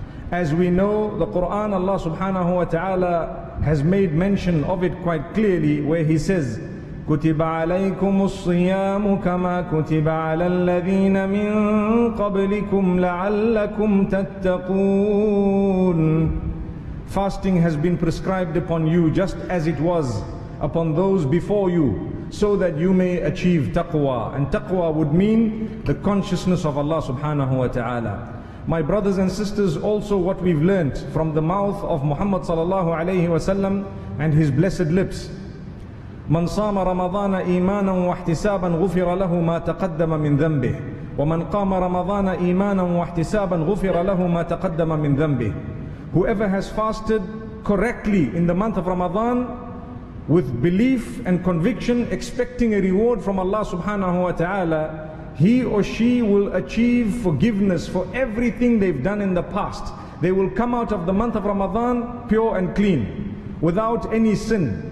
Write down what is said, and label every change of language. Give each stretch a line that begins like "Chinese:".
English: As we know, the Qur'an, Allah subhanahu wa ta'ala has made mention of it quite clearly, where He says,
Arabic: كُتِبَ عَلَيْكُمُ الصِّيَامُ كَمَا كُتِبَ عَلَى الَّذِينَ مِنْ قَبْلِكُمْ لَعَلَّكُمْ تَتَّقُونَ.
English: Fasting has been prescribed upon you just as it was upon those before you, so that you may achieve taqwa. And taqwa would mean the consciousness of Allah subhanahu wa ta'ala. My brothers and sisters, also what we've learnt from the mouth of Muhammad sallallahu alayhi wa sallam and his blessed lips,
Arabic: مَنْ صَامَ رَمَضَانَ إِيمَانًا وَاحْتِسَابًا غُفِرَ لَهُ مَا تَقَدَّمَ مِنْ ذَنْبِهِ
English: وَمَنْ قَامَ رَمَضَانَ إِيمَانًا وَاحْتِسَابًا غُفِرَ لَهُ مَا تَقَدَّمَ مِنْ ذَنْبِهِ. Whoever has fasted correctly in the month of Ramadan with belief and conviction, expecting a reward from Allah subhanahu wa ta'ala, he or she will achieve forgiveness for everything they've done in the past. They will come out of the month of Ramadan pure and clean, without any sin.